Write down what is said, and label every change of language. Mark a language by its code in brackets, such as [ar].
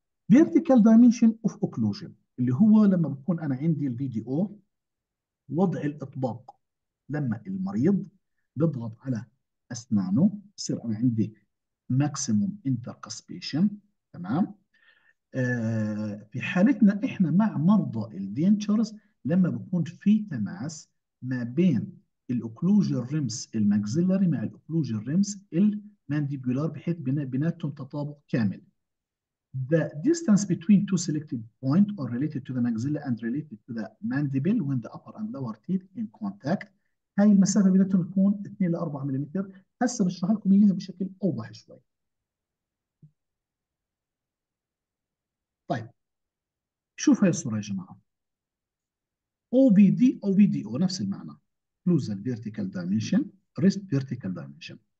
[ar] فيرتيكال دايمنشن اوف اوكلوجن اللي هو لما بكون انا عندي الفي دي او، وضع الاطباق لما المريض بيضغط على اسنانه بصير انا عندي ماكسيموم انتركاسبيشن. تمام. في حالتنا احنا مع مرضى الدينتشرز لما بكون في تماس ما بين الاوكلوجر ريمس الماكسيلاري مع الاوكلوجر ريمس المانديبولار بحيث بيناتهم تطابق كامل. [en] The distance between two selected point or related to the maxilla and related to the mandible when the upper and lower teeth in contact. [ar] هاي المسافة بدها تكون 2 ل 4 مليمتر. هسه بشرح لكم اياها بشكل اوضح شوي. طيب شوف هاي الصورة يا جماعة. OVD OVDO نفس المعنى. [en] Occlusal vertical dimension, wrist vertical dimension.